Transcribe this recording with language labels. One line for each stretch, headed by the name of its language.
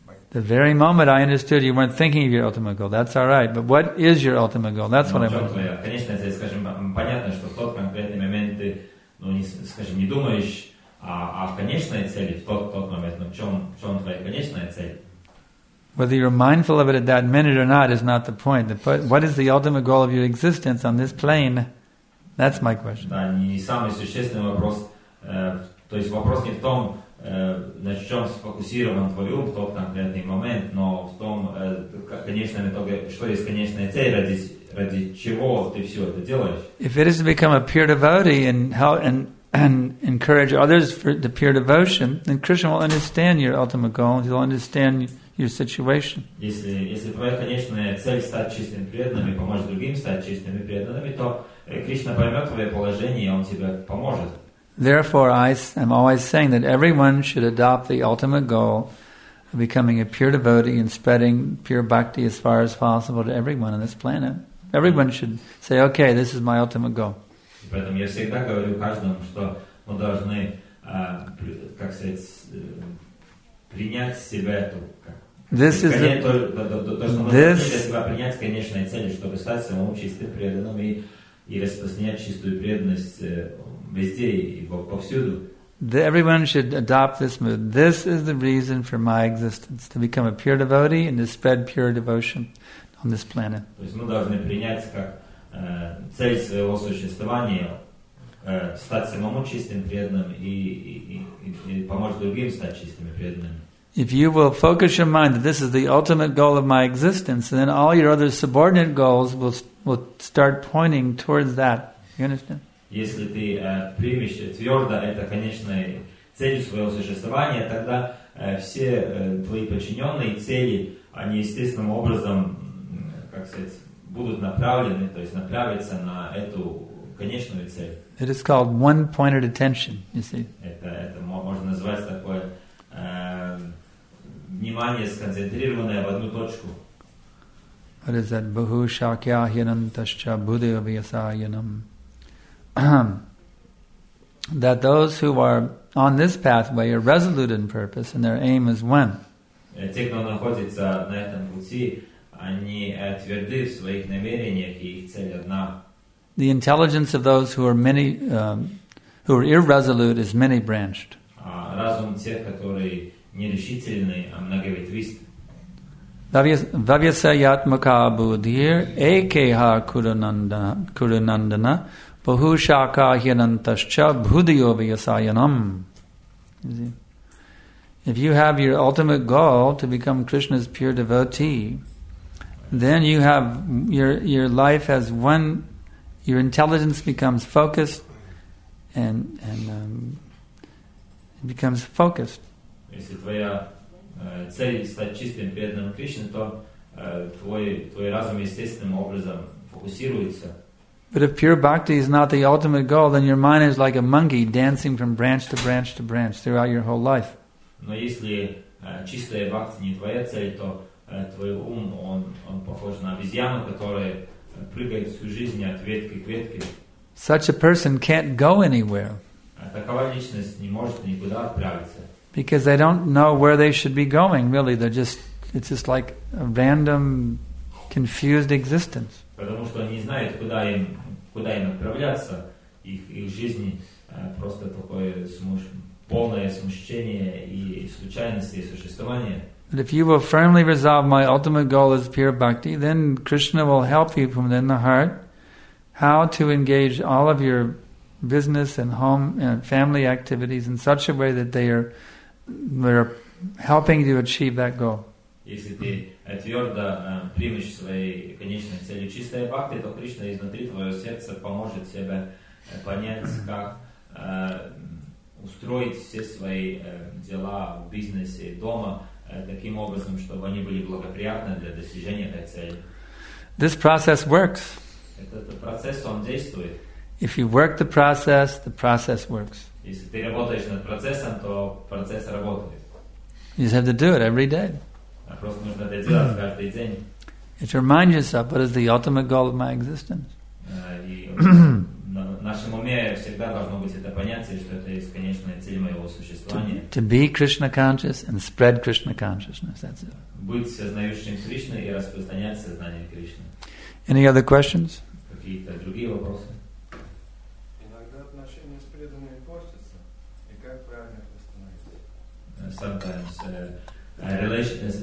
English: The very moment I understood you weren't thinking of your ultimate goal. That's all right. But what is your ultimate goal? That's what I want.
Russian: Конечная цель, скажем, понятно, что в тот конкретный момент ты, скажем, не думаешь о конечной цели в тот момент. Но в чем твоя конечная цель?
English: Whether you're mindful of it at that minute or not is not the point. What is the ultimate goal of your existence on this plane? That's my question.
Russian: Да, не самый существенный вопрос. То есть вопрос не в том, на чем сфокусирован твой ум в тот конкретный момент, но в том, конечном итоге, что есть конечная цель, ради чего ты все это делаешь.
English: If it is to become a pure devotee and encourage others for the pure devotion, then Krishna will understand your ultimate goal. He'll understand your situation.
Russian: Если твоя конечная цель стать чистым преданным и помочь другим стать чистыми преданными, то Кришна поймет твое положение и он тебе поможет.
English: Therefore, I am always saying that everyone should adopt the ultimate goal of becoming a pure devotee and spreading pure bhakti as far as possible to everyone on this planet. Everyone should say, "Okay, this is my ultimate goal."
Russian: Поэтому я всегда говорю каждому, что мы должны, как сказать, принять себя эту.
English: This is everyone should adopt this mood. This is the reason for my existence, to become a pure devotee and to spread pure devotion on this planet.
Russian: То есть мы должны принять как цель своего существования стать самому чистым преданным и помочь другим стать чистыми преданными.
English: If you will focus your mind that this is the ultimate goal of my existence, then all your other subordinate goals will start pointing towards that. You understand?
Russian: Если ты примешь твердо это конечной целью своего существования, тогда все твои подчиненные цели, они естественным образом, как сказать, будут направлены, то есть направятся на эту конечную цель.
English: It is called one-pointed attention, you see.
Russian: Это можно назвать такое внимание сконцентрированное в одну точку.
English: What is that?
Sanskrit: Bahu shakya hyanantascha buddhya vyasayanam.
English: That those who are on this pathway are resolute in purpose and their aim is one.
Russian: Те, кто находится на этом пути, они тверды в своих намерениях и их цель одна.
English: The intelligence of those who are many, who are irresolute is many-branched.
Russian: Разум тех, которые нерешительны, а многоветвист.
Sanskrit: Vavyasayatmaka buddhir ekeha kurunandana bahushaka hyanantascha bhudyo vyasayanam.
English: If you have your ultimate goal to become Krishna's pure devotee, Then you have your life has one, your intelligence becomes focused, and becomes focused.
Russian: Если твоя цель стать чистым преданным Кришне, то твой разум естественным образом фокусируется.
English: But if pure bhakti is not the ultimate goal, then your mind is like a monkey dancing from branch to branch to branch throughout your whole life.
Russian: Но если чистая бхакти не твоя цель, то твой ум он похож на обезьяну, которая прыгает всю жизнь от ветки к ветке.
English: Such a person can't go anywhere.
Russian: Такая личность не может никуда отправиться.
English: Because they don't know where they should be going. Really, they're just—it's just like a random, confused existence.
Russian: Потому что они знают, куда им отправляться. Их жизнь просто такое полное смущение и случайности и существования.
English: But if you will firmly resolve my ultimate goal is pure bhakti, then Krishna will help you from within the heart how to engage all of your business and home and family activities in such a way that they are helping you achieve that goal.
Russian: Если ты твердо примешь своей конечной целью чистая бхакти, то Кришна изнутри твоего сердца поможет тебе понять, как устроить все свои дела в бизнесе, дома, таким образом, чтобы они были благоприятны для достижения этой цели.
English: This process works.
Russian: Этот процесс, он действует.
English: If you work the process works.
Russian: Если ты работаешь над процессом, то процесс работает.
English: You just have to do it every day.
Russian: Просто нужно это делать каждый день.
English: It reminds yourself, what is the ultimate goal of my existence?
Russian: В нашем уме всегда должно быть это понятие, что это есть конечная цель моего существования.
English: To be Krishna conscious and spread Krishna consciousness, that's it.
Russian: Быть сознающим Кришны и распространять сознание Кришны.
English: Any other questions?
Russian: Какие-то другие вопросы? Иногда отношения с преданными портятся. И как правильно это восстановить?